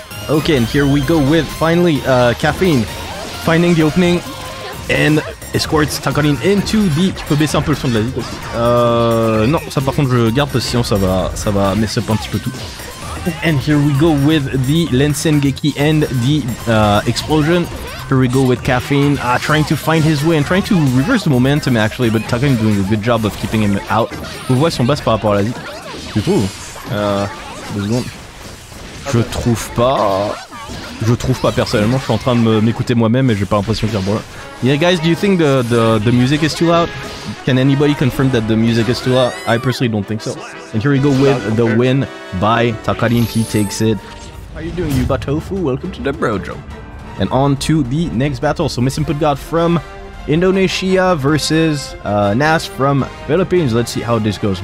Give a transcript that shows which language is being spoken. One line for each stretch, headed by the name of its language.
English: Okay, and here we go with finally Caffeine finding the opening and escorts Takarin into the.
French: Tu peux baisser un peu le son de la vie aussi. Non, ça par contre je garde parce que sinon ça va mess up un petit peu tout.
English: And here we go with the Rensengeki and the explosion. Here we go with Caffeine trying to find his way and trying to reverse the momentum actually, but Takarin doing a good job of keeping him out.
French: On voit son boss par rapport à la vie. Du coup, deux secondes. Je trouve pas personnellement, je suis en train de m'écouter moi-même et j'ai pas l'impression de dire bon.
English: Yeah guys, do you think the music is too loud? Can anybody confirm that the music is too loud? I personally don't think so. And here we go with the win by Takarin. He takes it. How are you doing, Yuba Tofu? Welcome to the Brojo. And on to the next battle. So Missinput God from Indonesia versus Nas from Philippines. Let's see how this goes.